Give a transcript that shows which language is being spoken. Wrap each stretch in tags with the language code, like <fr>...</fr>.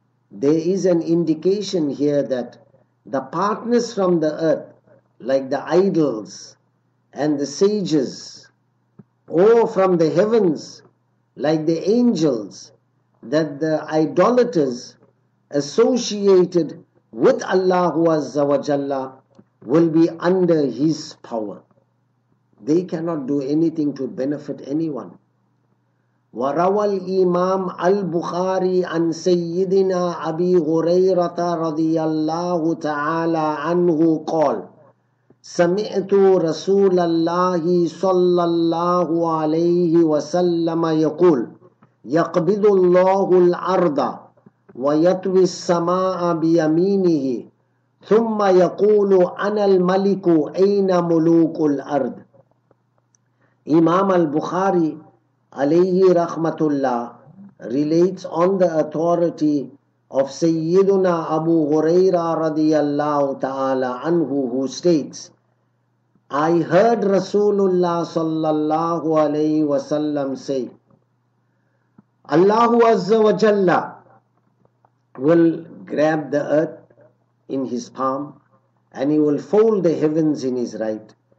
<en>There is an indication here that the partners from the earth, like the idols and the sages, or from the heavens, like the angels, that the idolaters associated with Allah Azza wa Jalla will be under his power. They cannot do anything to benefit anyone.</en> <ar>وروى الإمام البخاري عن سيدنا أبي هريرة رضي الله تعالى عنه قال سمعت رسول الله صلى الله عليه وسلم يقول يقبض الله الأرض ويطوي السماء بيمينه ثم يقول أنا الملك أين ملوك الأرض.</ar> <en>إمام البخاري alayhi rahmatullah relates on the authority of Sayyiduna Abu Huraira radiyallahu ta'ala anhu, who states, I heard Rasulullah sallallahu alayhi wa sallam say, Allahu azza wa jalla will grab the earth in his palm and he will fold the heavens in his right.</en>